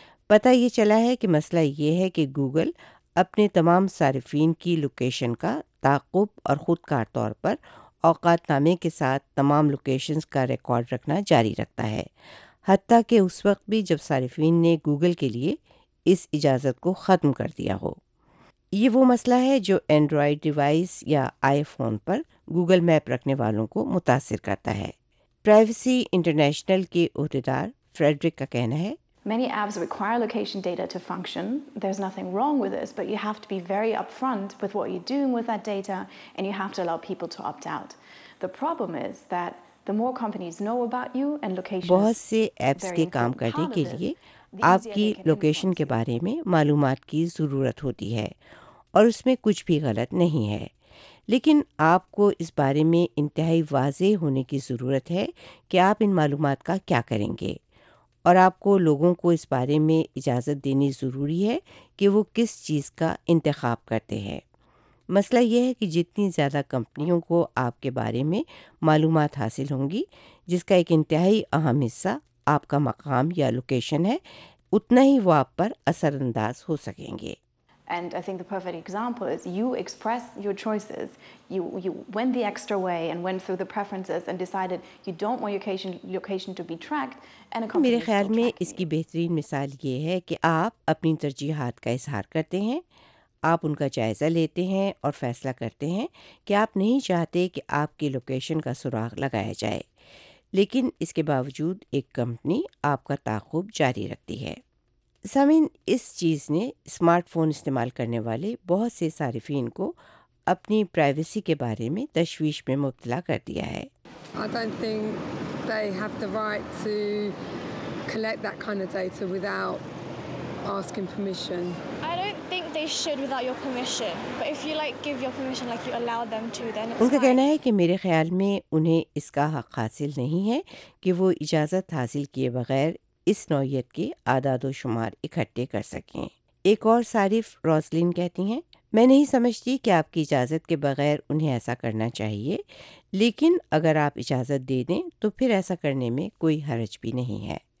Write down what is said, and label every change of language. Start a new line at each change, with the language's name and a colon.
Urdu: پتہ یہ چلا ہے کہ مسئلہ یہ ہے کہ گوگل اپنے تمام صارفین کی لوکیشن کا تعقب اور خود کار طور پر اوقات نامے کے ساتھ تمام لوکیشنز کا ریکارڈ رکھنا جاری رکھتا ہے، حتیٰ کہ اس وقت بھی جب صارفین نے گوگل کے لیے اس اجازت کو ختم کر دیا ہو۔ یہ وہ مسئلہ ہے جو اینڈرائیڈ ڈیوائس یا آئی فون پر گوگل میپ رکھنے والوں کو متاثر کرتا ہے۔ پرائیویسی انٹرنیشنل کے عہدیدار فریڈرک کا کہنا ہے،
English: Many apps require location data to function. There's nothing wrong with this, but you have to be very upfront with what you're doing with that data, and you have to allow people to opt out. The problem is that the more companies know about you and location,
Urdu: بہت سے apps کے کام کرنے کے لیے آپ کی location کے بارے میں معلومات کی ضرورت ہوتی ہے، اور اس میں کچھ بھی غلط نہیں ہے، لیکن آپ کو اس بارے میں انتہائی واضح ہونے کی ضرورت ہے کہ آپ ان معلومات کا کیا کریں گے، اور آپ کو لوگوں کو اس بارے میں اجازت دینی ضروری ہے کہ وہ کس چیز کا انتخاب کرتے ہیں۔ مسئلہ یہ ہے کہ جتنی زیادہ کمپنیوں کو آپ کے بارے میں معلومات حاصل ہوں گی، جس کا ایک انتہائی اہم حصہ آپ کا مقام یا لوکیشن ہے، اتنا ہی وہ آپ پر اثر انداز ہو سکیں گے۔
English: And I think the perfect example is you express your choices. You went the extra way and went through the preferences and decided you don't want your location to be tracked. And
Urdu: میرے خیال میں اس کی بہترین مثال یہ ہے کہ آپ اپنی ترجیحات کا اظہار کرتے ہیں، آپ ان کا جائزہ لیتے ہیں اور فیصلہ کرتے ہیں کہ آپ نہیں چاہتے کہ آپ کی لوکیشن کا سراغ لگایا جائے، لیکن اس کے باوجود ایک کمپنی آپ کا تعاقب جاری رکھتی ہے۔ سامعین، اس چیز نے اسمارٹ فون استعمال کرنے والے بہت سے صارفین کو اپنی پرائیویسی کے بارے میں تشویش میں مبتلا کر دیا ہے۔
English: I don't think they have the right to collect that kind of data without asking permission. I don't think they should without your permission. But if you like give your permission, like you allow them to, then it's fine.
Urdu: ان کا کہنا ہے کہ میرے خیال میں انہیں اس کا حق حاصل نہیں ہے کہ وہ اجازت حاصل کیے بغیر اس نوعیت کے اعداد و شمار اکٹھے کر سکیں۔ ایک اور صارف روزلین کہتی ہیں، میں نہیں سمجھتی کہ آپ کی اجازت کے بغیر انہیں ایسا کرنا چاہیے، لیکن اگر آپ اجازت دے دیں تو پھر ایسا کرنے میں کوئی حرج بھی نہیں ہے۔